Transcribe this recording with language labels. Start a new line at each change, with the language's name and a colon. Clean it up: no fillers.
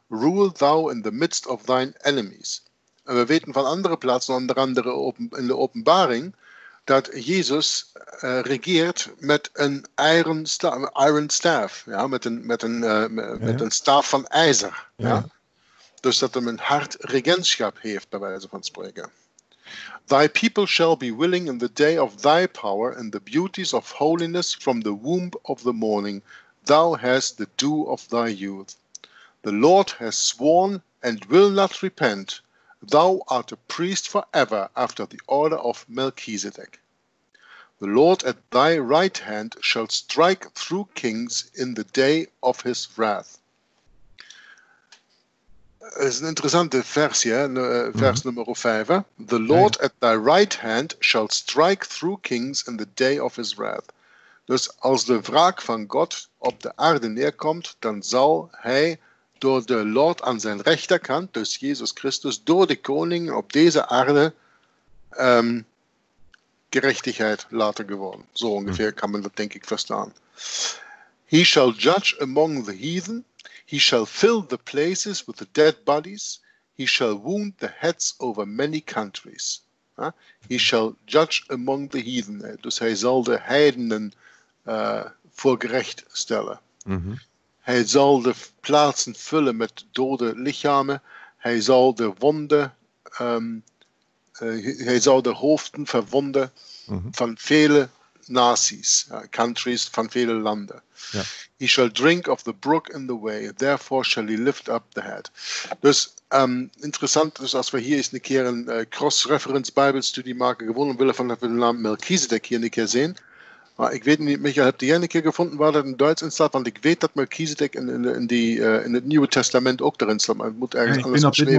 English: Rule thou in the midst of thine enemies.
Dutch: En we weten van andere plaatsen, onder andere in de Openbaring, dat Jezus regeert met een
English: iron staff,
Dutch: ja, met een staaf van ijzer. Ja. Ja. Dus dat hem een hard regentschap heeft, bij wijze van spreken.
English: Thy people shall be willing in the day of thy power and the beauties of holiness from the womb of the morning. Thou hast the dew of thy youth. The Lord has sworn and will not repent. Thou art a priest forever after the order of Melchizedek. The Lord at thy right hand shall strike through kings in the day of his wrath.
Dutch: Het is een interessante vers hier, vers nummer 5.
English: The Lord at thy right hand shall strike through kings in the day of his wrath.
Dutch: Dus als de wraak van God op de aarde neerkomt, dan zal hij door de Lord aan zijn rechterkant, dus Jezus Christus, door de koning op deze aarde gerechtigheid later geworden. Zo ongeveer kan men dat denk ik verstaan.
English: He shall judge among the heathen. He shall fill the places with the dead bodies. He shall wound the heads over many countries. He shall judge among the heathen.
Dutch: Dus hij zal de heidenen voor gerecht stellen. Mm-hmm. Hij zal de plaatsen vullen met dode lichamen. Hij zal de wonden, hij zal de hoofden verwonden mm-hmm. van vele naties, countries van vele landen. Yeah.
English: He shall drink of the brook in the way, therefore shall he lift up the head.
Dutch: Dus interessant is, als we hier eens een keer een cross-reference Bible-studie maken, gewoon omwille van dat we de naam Melchizedek hier een keer zien. Maar ik weet niet, Michael, heb je een keer gevonden waar dat in Duits in staat? Want ik weet dat Melchizedek in het Nieuwe Testament ook erin staat. Maar het moet ergens anders beschreven zijn.